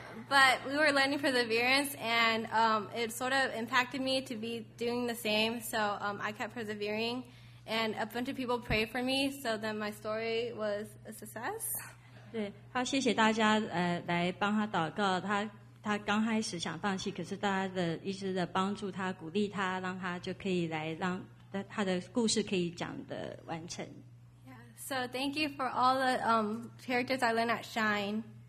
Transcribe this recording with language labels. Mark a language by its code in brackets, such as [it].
[en] But we were learning for the variance, and it sort of impacted me to be doing the same. So I kept persevering, and a bunch of people prayed for me, so then my story was a success. [zh] 对，他谢谢大家来帮他祷告。他刚开始想放弃，可是大家的一直的帮助他、鼓励他，让他就可以来让他的故事可以讲的完成。 [en] Yeah. So thank you for all the characters I learned at Shine.